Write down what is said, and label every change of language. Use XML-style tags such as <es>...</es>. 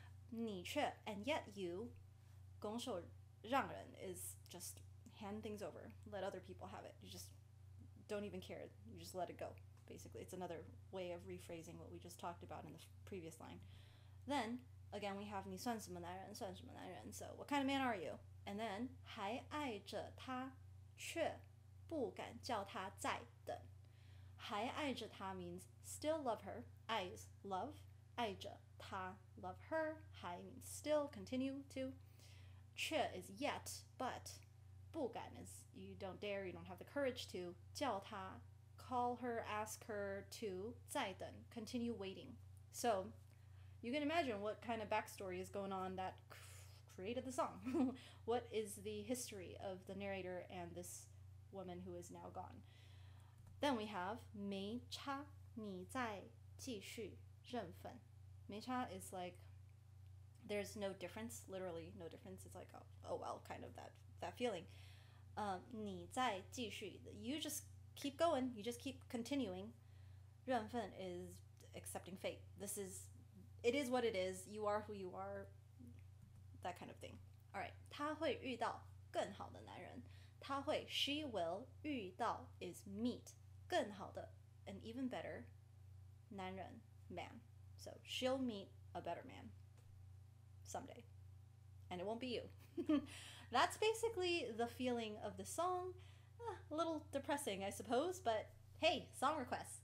<en>你却, and yet you, 拱手让人 is just hand things over, let other people have it. You just don't even care, you just let it go, basically. It's another way of rephrasing what we just talked about in the previous line. Then, again, we have</en> <zh>你算什么男人,算什么男人,</zh> <en>so what kind of man are you? And then,</en> <zh>还爱着她,却不敢叫她再等.</zh> <en>还爱着她 means still love her, 爱 is love, 爱着她, love her, 还 means still, continue to, 却 is yet, but, 不敢 is you don't dare, you don't have the courage to, 叫她, call her, ask her to, 再等, continue waiting. So, you can imagine what kind of backstory is going on that created the song. What is the history of the narrator and this woman who is now gone? Then we have</en> <zh>没差,你再继续认份.</zh> <en>没差 is like, there's no difference, literally no difference. It's like, oh well, kind of that feeling.</en> <zh>你再继续,</zh> <en>you just keep going, you just keep continuing. 认份 is accepting fate. This is, it is what it is, you are who you are, that kind of thing. Alright,</en> <zh>她会遇到更好的男人.</zh> <en>她会, she will, 遇到 is meet, 更好的, an even better 男人, man. So she'll meet a better man someday, and it won't be you. That's basically the feeling of the song. A little depressing, I suppose, but hey, song requests.</en>